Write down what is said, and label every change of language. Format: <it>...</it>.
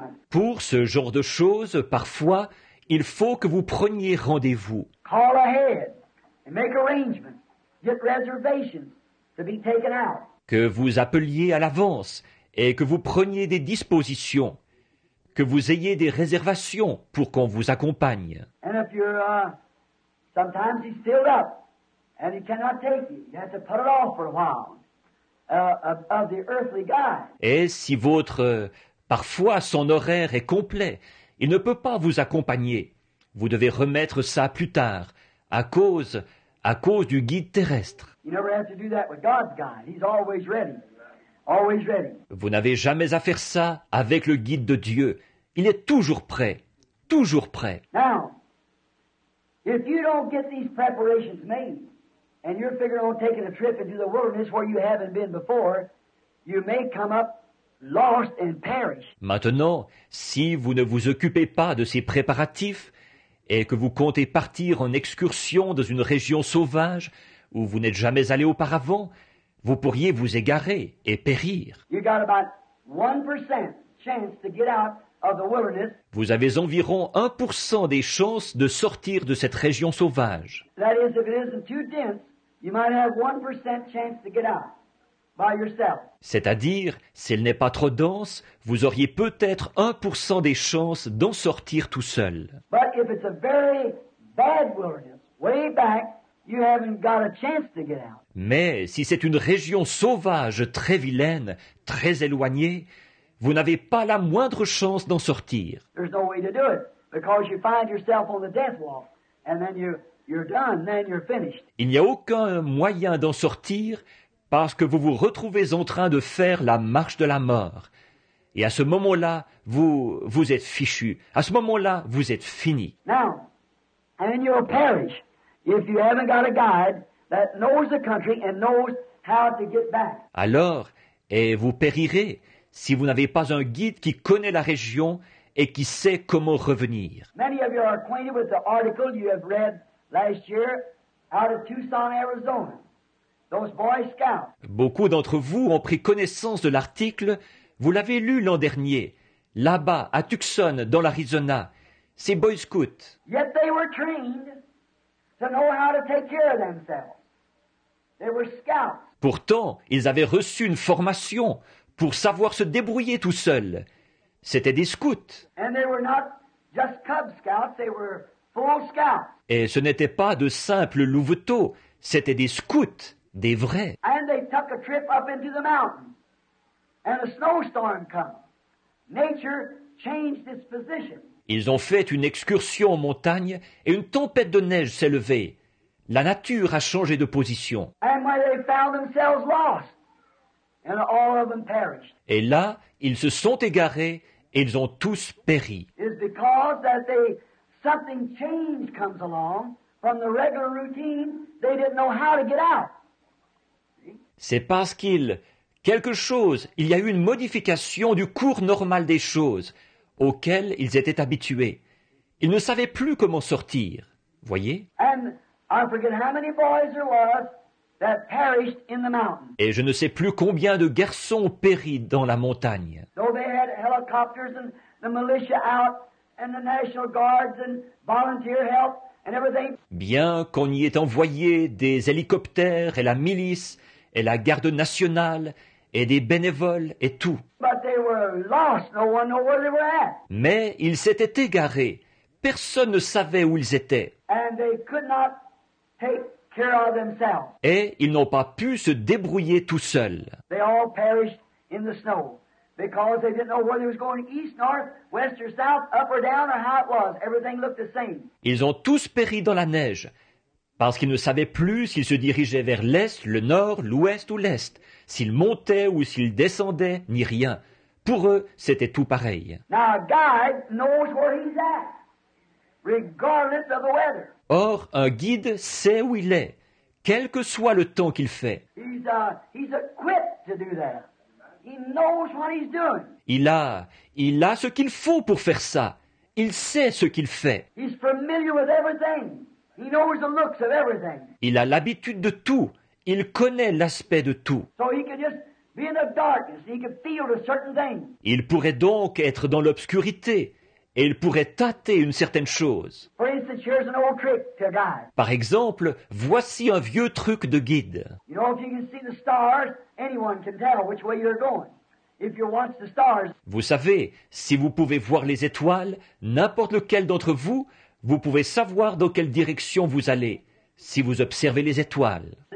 <fr>Pour ce genre de choses, parfois, il faut que vous preniez rendez-vous.</fr> <en>Call ahead and make arrangements. Get reservations to be taken out.</en> <fr>Que vous appeliez à l'avance et que vous preniez des dispositions. Que vous ayez des réservations pour qu'on vous accompagne.</fr> <en>And if you're, sometimes he's filled up. And he cannot take you. You have to put it off for a while. Of the earthly guide.</en> <fr>Et si votre, parfois son horaire est complet, il ne peut pas vous accompagner. Vous devez remettre ça plus tard, à cause du guide terrestre.</fr> <en>You never have to do that with God's guide. He's always ready. Always ready.</en> <fr>Vous n'avez jamais à faire ça avec le guide de Dieu. Il est toujours prêt. Toujours prêt.</fr> <en>Now, if you don't get these preparations made, and you're figuring on taking a trip into the wilderness where you haven't been before, you may come up lost and perish.</en> <fr>Maintenant, si vous ne vous occupez pas de ces préparatifs et que vous comptez partir en excursion dans une région sauvage où vous n'êtes jamais allé auparavant, vous pourriez vous égarer et périr.</fr> <en>You got about 1% chance to get out of the wilderness.</en> <fr>Vous avez environ 1% des chances de sortir de cette région sauvage.</fr> <en>That is, if it isn't too dense, you might have 1% chance to get out by yourself.</en> <fr>C'est-à-dire, s'il n'est pas trop dense, vous auriez peut-être 1% des chances d'en sortir tout seul.</fr> <en>But if it's a very bad wilderness, way back, you haven't got a chance to get out.</en> <fr>Mais si c'est une région sauvage très vilaine, très éloignée, vous n'avez pas la moindre chance d'en sortir.</fr> <en>There's no way to do it because you find yourself on the death walk and then you're done, then you're finished.</en> <fr>Il n'y a aucun moyen d'en sortir parce que vous vous retrouvez en train de faire la marche de la mort. Et à ce moment-là, vous êtes fichu. À ce moment-là, vous êtes fini.</fr> <en>Now, and then you'll perish if you haven't got a guide that knows the country and knows how to get back.</en> <fr>Alors, et vous périrez si vous n'avez pas un guide qui connaît la région et qui sait comment revenir.</fr> <en>Many of you are acquainted with the article you have read last year out of Tucson, Arizona. Those Boy Scouts.</en> <fr>Beaucoup d'entre vous ont pris connaissance de l'article. Vous l'avez lu l'an dernier, là-bas, à Tucson, dans l'Arizona. Ces Boy Scouts.</fr> <en>Yet they were trained to know how to take care of themselves. They were scouts.</en> <fr>Pourtant, ils avaient reçu une formation pour savoir se débrouiller tout seul. C'était des scouts.</fr> <en>And they were not just cub scouts, they were full scouts.</en> <fr>Et ce n'étaient pas de simples louveteaux, c'était des scouts, des vrais.</fr> <en>And they took a trip up into the mountains. And a snowstorm came. Nature changed its position.</en> <fr>Ils ont fait une excursion en montagne et une tempête de neige s'est levée. La nature a changé de position.</fr> <en>And when they found themselves lost, and all of them perished.</en> <fr>Et là, ils se sont égarés et ils ont tous péri.</fr> <en>It's because that they something change comes along from the regular routine, they didn't know how to get out.</en> <fr>C'est parce qu'il quelque chose, il y a eu une modification du cours normal des choses auquel ils étaient habitués. Ils ne savaient plus comment sortir. Voyez?</fr> <en>And I forget how many boys there was. That perished in the mountain.</en> <fr>Et je ne sais plus combien de garçons périt dans la montagne.</fr> <en>Though they had helicopters and the militia out and the National Guards and volunteer help and everything.</en> <fr>Bien qu'on y ait envoyé des hélicoptères et la milice et la garde nationale et des bénévoles et tout.</fr> <en>But they were lost. No one knew where they were at.</en> <fr>Mais ils s'étaient égarés. Personne ne savait où ils étaient.</fr> <en>And they could not take care of themselves.</en> <fr>Et ils n'ont pas pu se débrouiller tout seuls.</fr> <en>They all perished in the snow. Because they didn't know whether it was going east, north, west or south, up or down or how it was. Everything looked the same.</en> <fr>Ils ont tous péri dans la neige. Parce qu'ils ne savaient plus s'ils se dirigeaient vers l'est, le nord, l'ouest ou l'est. S'ils montaient ou s'ils descendaient, ni rien. Pour eux, c'était tout pareil.</fr> <en>Now, a guide knows where he's at, regardless of the weather.</en> <fr>Or, un guide sait où il est, quel que soit le temps qu'il fait.</fr> <en>He's equipped to do that. He knows what he's doing.</en> <fr>Il a ce qu'il faut pour faire ça. Il sait ce qu'il fait.</fr> <en>He's familiar with everything. He knows the looks of everything.</en> <fr>Il a l'habitude de tout. Il connaît l'aspect de tout.</fr> <en>So he can just be in the darkness. He can feel a certain thing.</en> <fr>Il pourrait donc être dans l'obscurité et il pourrait tâter une certaine chose.</fr> <en>For instance, here's an old trick to a guide.</en> <fr>Par exemple, voici un vieux truc de guide.</fr> <en>You know, if you can see the stars, anyone can tell which way you're going. If you watch the stars.</en> <fr>Vous savez, si vous pouvez voir les étoiles, n'importe lequel d'entre vous. Vous pouvez savoir dans quelle direction vous allez si vous observez les étoiles.</fr>